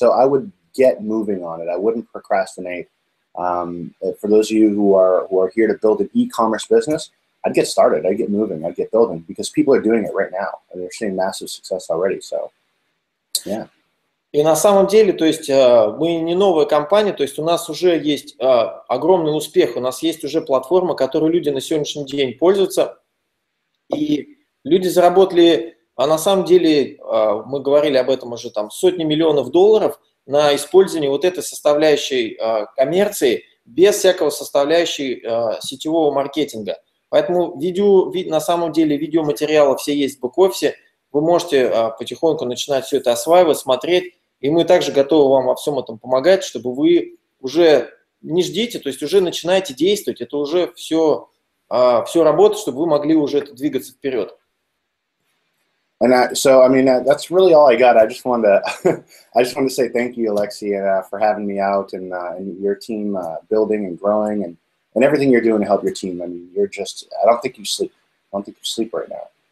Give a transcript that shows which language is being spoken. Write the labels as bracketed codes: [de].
[en] So I would get moving on it. I wouldn't procrastinate. For those of you who are here to build an e-commerce business, I'd get started, I'd get moving, I'd get building, because people are doing it right now, and they're seeing massive success already, so, yeah. [ru] И на самом деле, то есть мы не новая компания, то есть у нас уже есть огромный успех, у нас есть уже платформа, которой люди на сегодняшний день пользуются, и люди заработали, а на самом деле мы говорили об этом уже там сотни миллионов долларов на использование вот этой составляющей коммерции без всякого составляющей сетевого маркетинга. Поэтому на самом деле видеоматериалы все есть в бэк-офисе, вы можете потихоньку начинать все это осваивать, смотреть. И мы также готовы вам во всем этом помогать, чтобы вы уже не ждите, то есть уже начинаете действовать. Это уже все, все работает, чтобы вы могли уже это двигаться вперед. [en] And that's really all I got. I just wanted to say thank you, Alexey, for having me out and your team building and growing and everything you're doing to help your team. I mean, you're just, I don't think you sleep right now.